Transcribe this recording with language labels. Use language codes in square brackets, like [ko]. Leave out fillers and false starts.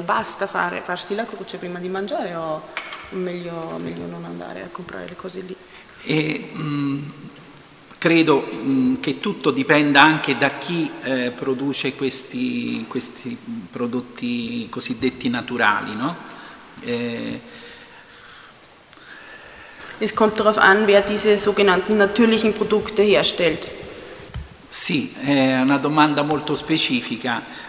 [it] Basta farsi la croce prima di mangiare o meglio non andare a comprare le cose lì? E credo che tutto dipenda anche da chi produce questi prodotti cosiddetti naturali, no? [de] Es kommt darauf an, wer diese sogenannten natürlichen Produkte herstellt. [it] Sì, è una domanda molto specifica.